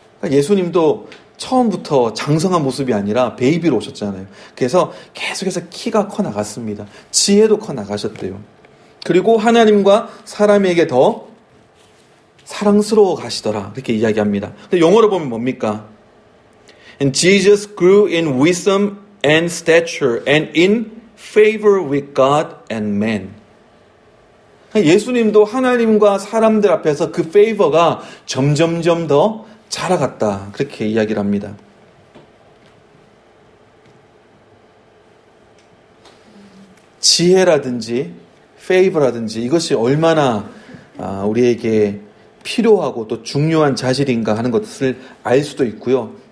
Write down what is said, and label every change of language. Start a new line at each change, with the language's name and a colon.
Korean: 예수님도 처음부터 장성한 모습이 아니라 베이비로 오셨잖아요. 그래서 계속해서 키가 커 나갔습니다. 지혜도 커 나가셨대요. 그리고 하나님과 사람에게 더 사랑스러워 가시더라. 이렇게 이야기합니다. 근데 영어로 보면 뭡니까?
English: And Jesus grew in wisdom and stature and in favor with God and man.
Korean: 예수님도 하나님과 사람들 앞에서 그 favor가 점점점 더 자라갔다. 그렇게 이야기를 합니다. 지혜라든지 favor라든지 이것이 얼마나 우리에게 필요하고 또 중요한 자질인가 하는 것을 알 수도 있고요.